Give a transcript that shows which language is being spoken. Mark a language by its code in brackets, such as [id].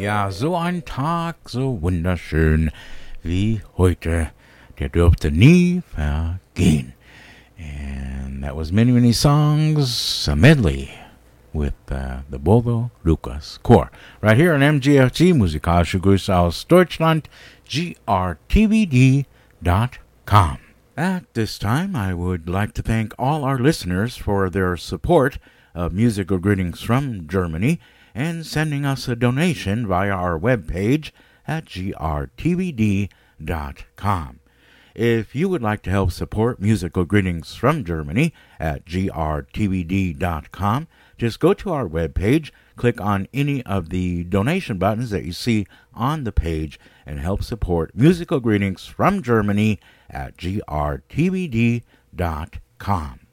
[de] so ein Tag, so wunderschön wie heute, der dürfte nie vergehen. [en] And that was many, many songs, a medley with the Bodo Lucas Choir. Right here on MGFG, Musikalische Grüße aus Deutschland, grtvd.com. At this time, I would like to thank all our listeners for their support of Musical Greetings from Germany and sending us a donation via our webpage at grtvd.com. If you would like to help support Musical Greetings from Germany at grtvd.com, just go to our webpage, click on any of the donation buttons that you see on the page, and help support Musical Greetings from Germany at grtvd.com.